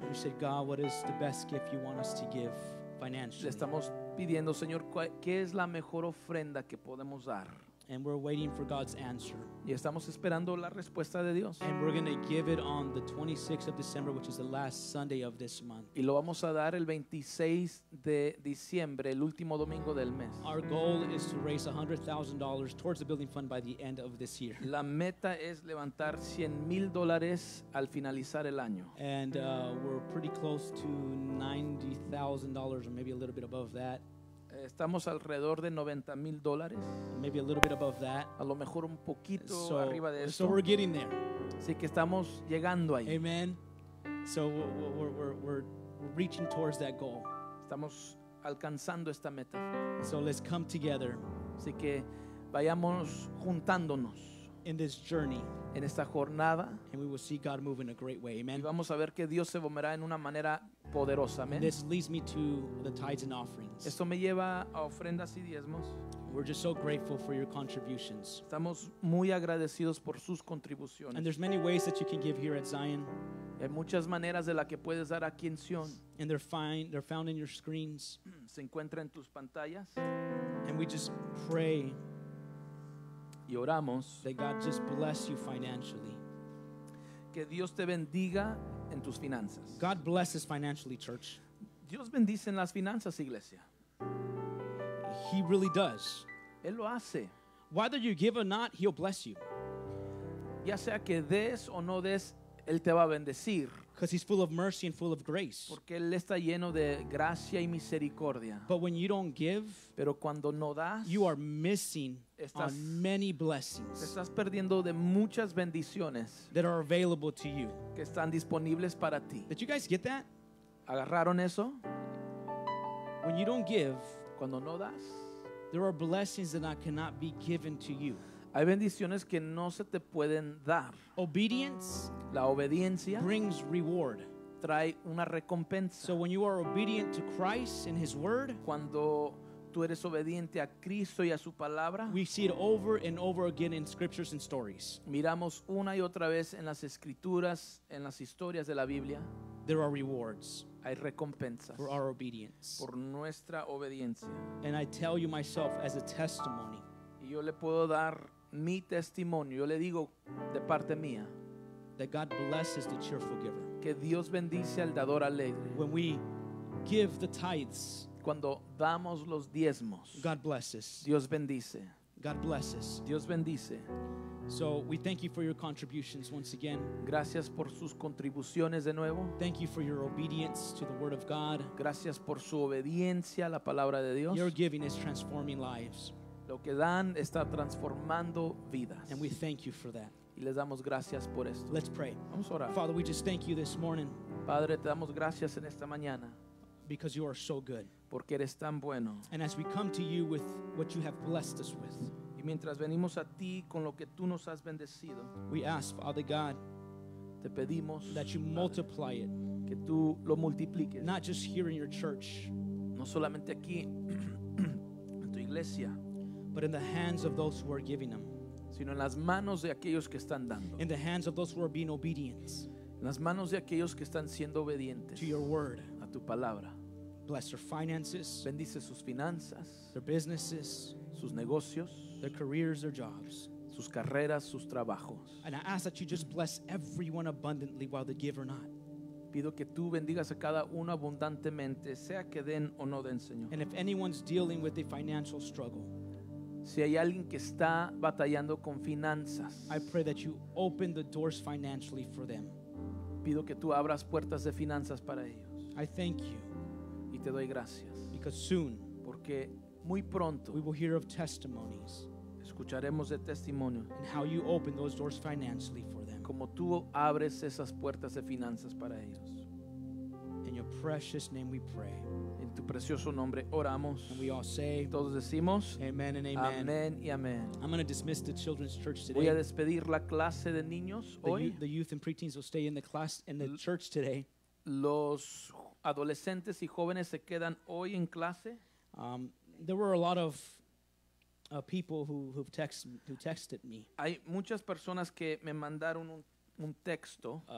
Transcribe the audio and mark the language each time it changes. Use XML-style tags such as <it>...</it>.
<en>We said, God, what is the best gift you want us to give financially?</en> <es>Le estamos pidiendo, Señor, ¿qué es la mejor ofrenda que podemos dar?</es> <en>And we're waiting for God's answer.</en> <es>Y estamos esperando la respuesta de Dios.</es> <en>And we're going to give it on the 26th of December, which is the last Sunday of this month.</en> <es>Y lo vamos a dar el 26 de diciembre, el último domingo del mes.</es> <en>Our goal is to raise $100,000 towards the building fund by the end of this year.</en> <es>La meta es levantar $100,000 al finalizar el año.</es> <en>And we're pretty close to $90,000 or maybe a little bit above that.</en> <es>Estamos alrededor de $90,000.</es> <en>Maybe a little bit above that.</en> <es>A lo mejor un poquito arriba de eso.</es> <en>So we're getting there.</en> <es>Así que estamos llegando ahí.</es> <en>Amen. So we're reaching towards that goal.</en> <es>Estamos alcanzando esta meta.</es> <en>So let's come together.</en> <es>Así que vayamos juntándonos.</es> <en>In this journey,</en> <es>en esta jornada,</es> <en>and we will see God move in a great way. Amen.</en> <es>Y vamos a ver que Dios se moverá en una manera poderosa. Amen.</es> <en>This leads me to the tithes and offerings.</en> <es>Esto me lleva a ofrendas y diezmos.</es> <en>We're just so grateful for your contributions.</en> <es>Estamos muy agradecidos por sus contribuciones.</es> <en>And there's many ways that you can give here at Zion.</en> <es>Hay muchas maneras de la que puedes dar aquí en Sion.</es> <en>And they're found in your screens.</en> <es>Se encuentra en tus pantallas.</es> <en>And we just pray.</en> <es>Y oramos.</es> <en>That God just bless you financially.</en> <es>Que Dios te bendiga en tus finanzas.</es> <en>God blesses financially, church.</en> <es>Dios bendice en las finanzas, iglesia.</es> <en>He really does.</en> <es>Él lo hace.</es> <en>Whether you give or not, He'll bless you.</en> <es>Ya sea que des o no des, Él te va a bendecir.</es> <en>Because He's full of mercy and full of grace.</en> <es>Porque Él está lleno de gracia y misericordia.</es> <en>But when you don't give,</en> <es>pero cuando no das,</es> <en>you are missing on many blessings.</en> <es>Estás perdiendo de muchas bendiciones</es> <en>that are available to you.</en> <es>Que están disponibles para ti.</es> <en>Did you guys get that?</en> <es>¿Agarraron eso?</es> <en>When you don't give,</en> <es>cuando no das,</es> <en>There are blessings that I cannot be given to you.</en> <es>Hay bendiciones que no se te pueden dar.</es> <en>Obedience,</en> <es>la obediencia,</es> <en>brings reward.</en> <es>Trae una recompensa.</es> <en>So when you are obedient to Christ and His Word,</en> <es>cuando tú eres obediente a Cristo y a su palabra,</es> <en>we see it over and over again in scriptures and stories.</en> <es>Miramos una y otra vez en las escrituras, en las historias de la Biblia.</es> <en>There are rewards.</en> <es>Hay recompensas.</es> <en>For our obedience.</en> <es>Por nuestra obediencia.</es> <en>And I tell you myself as a testimony.</en> <es>Y yo le puedo dar mi testimonio. Yo le digo de parte mía.</es> <en>That God blesses the cheerful giver.</en> <es>Que Dios bendice al dador alegre.</es> <en>When we give the tithes.</en> <es>Cuando damos los diezmos.</es> <en>God blesses.</en> <es>Dios bendice.</es> <en>God blesses.</en> <es>Dios bendice.</es> <en>So we thank you for your contributions once again.</en> <es>Gracias por sus contribuciones de nuevo.</es> <en>Thank you for your obedience to the word of God.</en> <es>Gracias por su obediencia a la palabra de Dios.</es> <en>Your giving is transforming lives.</en> <es>Lo que dan está transformando vidas.</es> <en>And we thank you for that.</en> <es>Y les damos gracias por esto.</es> <en>Let's pray.</en> <es>Vamos a orar.</es> <en>Father, we just thank you this morning.</en> <es>Padre, te damos gracias en esta mañana.</es> <en>Because you are so good.</en> <es>Porque eres tan bueno.</es> <en>And as we come to you with what you have blessed us with.</en> <es>Mientras venimos a ti con lo que tú nos has bendecido,</es> <en>we ask, Father God,</en> <es>te pedimos,</es> <en>that you multiply it,</en> <es>que tú lo multipliques,</es> <en>not just here in your church,</en> <es>no solamente aquí en tu iglesia,</es> <en>but in the hands of those who are giving them,</en> <es>sino en las manos de aquellos que están dando,</es> <en>in the hands of those who are being obedient,</en> <es>en las manos de aquellos que están siendo obedientes,</es> <en>to your word,</en> <es>a tu palabra.</es> <en>Bless their finances,</en> <es>bendice sus finanzas,</es> <en>their businesses,</en> <es>sus negocios,</es> <en>their careers, their jobs,</en> <es>sus carreras, sus trabajos.</es> <en>And I ask that you just bless everyone abundantly while they give or not.</en> <es>Pido que tú bendigas a cada uno abundantemente, sea que den o no den, Señor.</es> <en>And if anyone's dealing with a financial struggle,</en> <es>si hay alguien que está batallando con finanzas,</es> <en>I pray that you open the doors financially for them.</en> <es>Pido que tú abras puertas de finanzas para ellos.</es> <en>I thank you.</en> <es>Y te doy gracias.</es> <en>Because soon,</en> <es>porque muy pronto,</es> <en>we will hear of testimonies.</en> <es>Escucharemos de testimonios.</es> <en>And how you open those doors financially for them.</en> <es>Como tú abres esas puertas de finanzas para ellos.</es> <en>In your precious name we pray.</en> <es>En tu precioso nombre oramos.</es> <en>And we all say,</en> <es>todos decimos,</es> <en>amen and amen.</en> <es>Amén y amén.</es> <en>I'm going to dismiss the children's church today.</en> <es>Voy a despedir la clase de niños hoy.</es> <en>The youth and preteens will stay in the class in the church today.</en> <es>Los adolescentes y jóvenes se quedan hoy en clase.</es> <en>There were a lot of people who texted me.</en> <es>Hay muchas personas que me mandaron un texto</es>